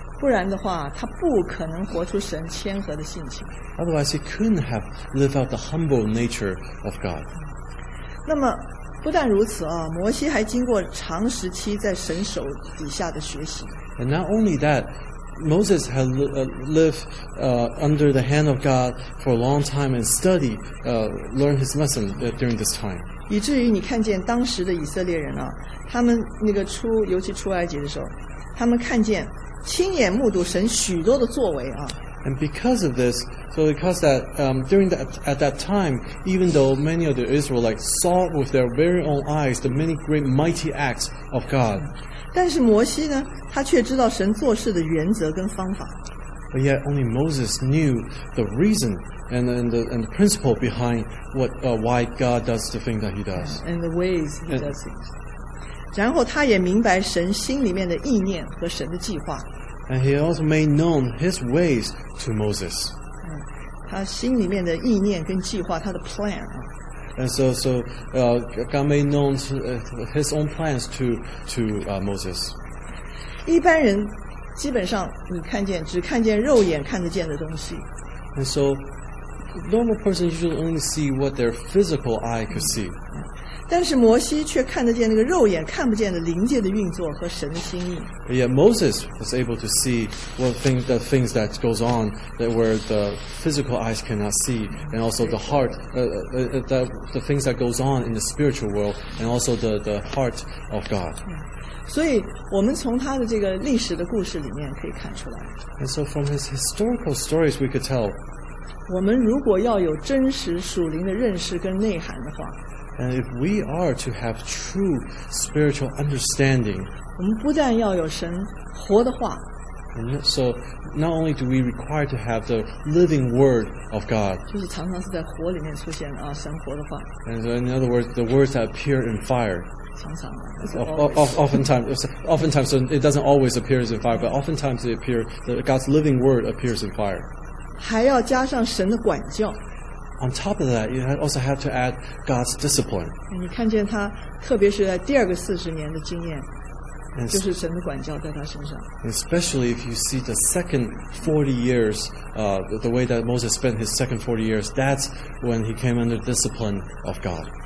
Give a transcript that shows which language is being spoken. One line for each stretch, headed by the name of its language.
Chinese: 不然的话，他不可能活出神谦和的性情。
English: Otherwise, he couldn't have lived out the humble nature of God.
Chinese: 那么，不但如此啊，摩西还经过长时期在神手底下的学习。
English: And not only that, Moses had lived under the hand of God for a long time and studied, learned his lesson during this time.
Chinese: 以至于你看见当时的以色列人啊，他们那个出，尤其出埃及的时候，他们看见。亲眼目睹神许多的作为啊
English: ！And because of this, so because that during that at that time, even though many of the Israelites saw with their very own eyes the many great mighty acts of God,
Chinese: 但是摩西呢，他却知道神做事的原则跟方法。
English: But yet only Moses knew the reason and the principle behind what why God does the thing that He does and the ways He does things.
Chinese: 然后他也明白神心里面的意念和神的计划。
English: And he also made known his ways to Moses.
Chinese: 他心里面的意念跟计划，他的 plan.
English: And God made known his own plans to Moses.
Chinese: 一般人基本上你看见只看见肉眼看得见的东西。
English: And so normal person usually only see what their physical eye could see.
Chinese: 但是摩西却看得见那个肉眼看不见的灵界的运作和神的心意。
English: Yet Moses was able to see the things that goes on that where the physical eyes cannot see, and also the heart, the things that goes on in the spiritual world, and also the heart of God.
Chinese: 所以我们从他的这个历史的故事里面可以看出来。
English: And so from his historical stories, we could tell.
Chinese: 我们如果要有真实属灵的认识跟内涵的话。
English: And if we are to have true spiritual understanding,
Chinese: 我们不但要有神活的话,
English: so not only do we require to have the living word of God,
Chinese: 就是常常是在火里面出现啊，神活的话,
English: and so in other words, the words that appear in fire,
Chinese: 常常啊,
English: oftentimes, so it doesn't always appear in fire, but oftentimes it appears, that God's living word appears in fire.
Chinese: 还要加上神的管教。
English: On top of that, you also have to add God's discipline.
Chinese: 你看见他，特别是在第二个四十年的经验，就是神的管教在他身上。
English: Especially if you see the second 40 years, the way that Moses spent his second 40 years, that's when he came under discipline of God.